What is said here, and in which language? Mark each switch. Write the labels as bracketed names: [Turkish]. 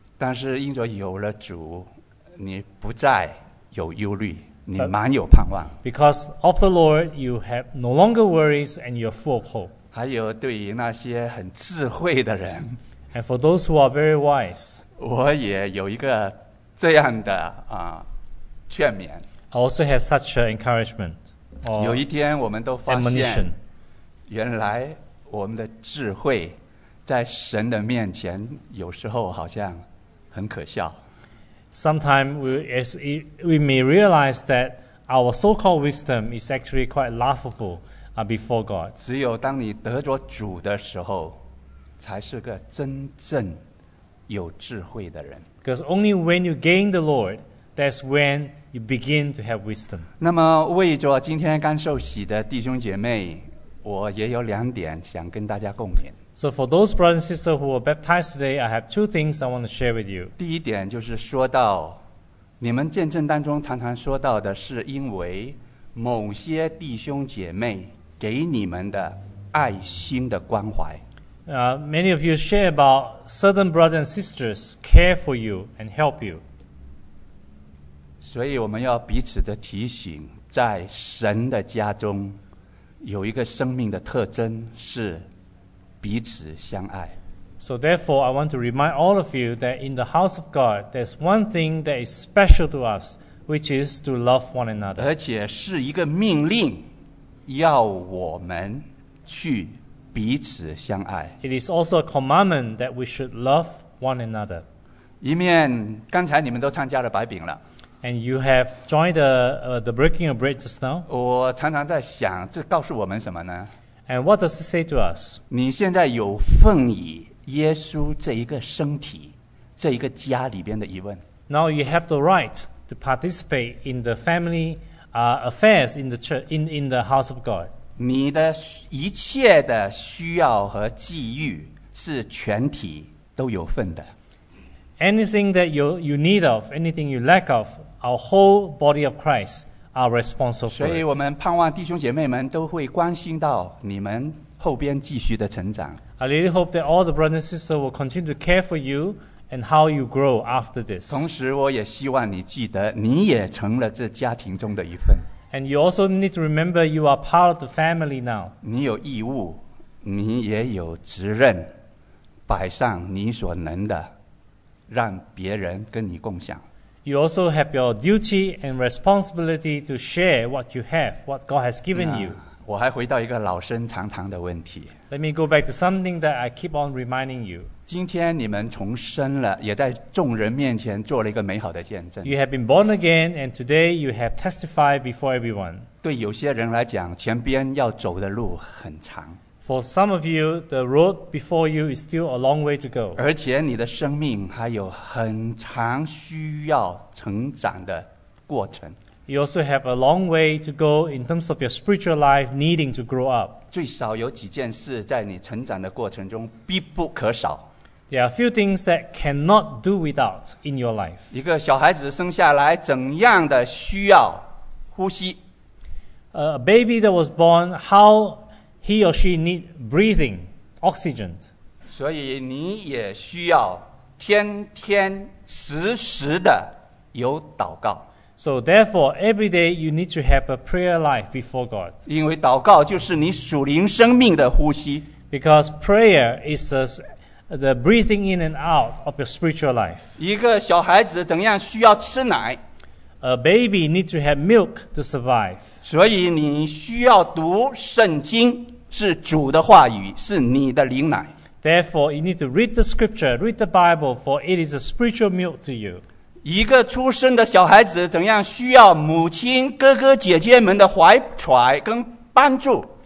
[Chinese] 但是因着有了主，你不再有忧虑，你满有盼望。 [English] Because of the Lord, you have no longer worries and you're full of hope. [Chinese] 还有对于那些很智慧的人。 [English] And for those who are very wise, [Chinese] 我也有一个这样的劝勉。 [English] I also have such an encouragement. [Chinese] 有一天我们都发现，原来我们的智慧在神的面前有时候好像很可笑。 [English] Sometimes we may realize that our so-called wisdom is actually quite laughable before God. [Chinese] 只有当你得着主的时候。才是个真正有智慧的人。 [English] Because only when you gain the Lord, that's when you begin to have wisdom. [Chinese] 那么为着今天刚受洗的弟兄姐妹，我也有两点想跟大家共勉。 [English] So for those brothers and sisters who were baptized today, I have two things I want to share with you. [Chinese] 第一点就是说到，你们见证当中常常说到的是因为某些弟兄姐妹给你们的爱心的关怀。 [English] Many of you share about certain brothers and sisters care for you and help you. [Chinese] 所以我们要彼此的提醒，在神的家中有一个生命的特征是彼此相爱。 [English] So therefore, I want to remind all of you that in the house of God, there's one thing that is special to us, which is to love one another. [Chinese] 而且是一个命令，要我们去彼此相爱。 [English] It is also a commandment that we should love one another. [Chinese] 一面刚才你们都参加了白饼了。 [English] And you have joined the breaking of bread just now. [Chinese] 我常常在想，这告诉我们什么呢？ [English] And what does it say to us? [Chinese] 你现在有份以耶稣这一个身体，这一个家里边的一份。 [English] Now you have the right to participate in the family affairs in the church, in the house of God. [Chinese] 你的一切的需要和际遇是全体都有份的。 [English] Anything that you need of, anything you lack of, our whole body of Christ. Are responsible for it. [Chinese] 所以我们盼望弟兄姐妹们都会关心到你们后边继续的成长。 [English] I really hope that all the brothers and sisters will continue to care for you and how you grow after this. [Chinese] 同时，我也希望你记得，你也成了这家庭中的一份。 [English] And you also need to remember you are part of the family now. [Chinese] 你有义务，你也有责任，摆上你所能的，让别人跟你共享。 [English] You also have your duty and responsibility to share what you have, what God has given you. [Chinese] 我还回到一个老生常谈的问题。 [English] Let me go back to something that I keep on reminding you. [Chinese] 今天你们重生了，也在众人面前做了一个美好的见证。 [English] You have been born again, and today you have testified before everyone. [Chinese] 对有些人来讲，前边要走的路很长。 [English] For some of you, the road before you is still a long way to go. [Chinese] 而且你的生命还有很长需要成长的过程。 [English] You also have a long way to go in terms of your spiritual life needing to grow up. [Chinese] 最少有几件事在你成长的过程中必不可少。 [English] There are a few things that cannot do without in your life. [Chinese] 一个小孩子生下来怎样的需要呼吸。 [English] A baby that was born, how... He or she need breathing, oxygen. [Chinese] 所以你也需要天天时时的有祷告。 [English] So therefore, every day you need to have a prayer life before God. [Chinese] 因为祷告就是你属灵生命的呼吸。 [English] Because prayer is the breathing in and out of your spiritual life. [Chinese] 一个小孩子怎样需要吃奶？ [English] A baby needs to have milk to survive. [Chinese] 所以你需要读圣经，是主的话语，是你的灵奶。 [English] Therefore, you need to read the scripture, read the Bible, for it is a spiritual milk to you. [Chinese] 一个出生的小孩子怎样需要母亲、哥哥、姐姐们的怀揣跟帮助